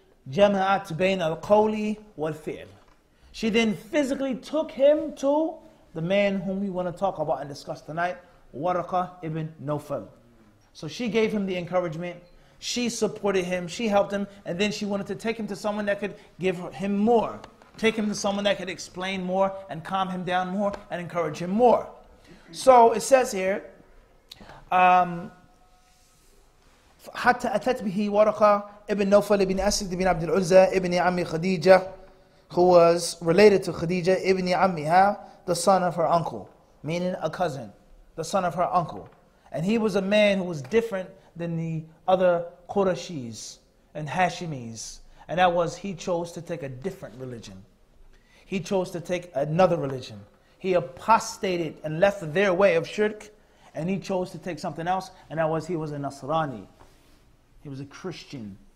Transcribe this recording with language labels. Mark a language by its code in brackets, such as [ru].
[ar] Jama'at bayn al-qawli wal-fi'l. [en] She then physically took him to the man whom we want to talk about and discuss tonight, Waraqah ibn Naufal. So she gave him the encouragement. She supported him. She helped him. And then she wanted to take him to someone that could give him more. Take him to someone that could explain more and calm him down more and encourage him more. So it says here, [ar] حَتَّى أَتَتْ بِهِ وَرَقَى إِبْنِ نَوْفَلِ إِبْنِ أَسِدْ بِنِ عَبْدِ الْعُزَى إِبْنِ عَمِّ خَدِيجَةِ, [en] who was related to Khadija, [ar] إِبْنِ عَمِّهَا, [en] the son of her uncle. meaning a cousin, the son of her uncle. And he was a man who was different than the other Qurayshis and Hashimis. And that was, he chose to take a different religion. He chose to take another religion. He apostated and left their way of shirk, and he chose to take something else, and that was, he was a Nasrani. He was a Christian.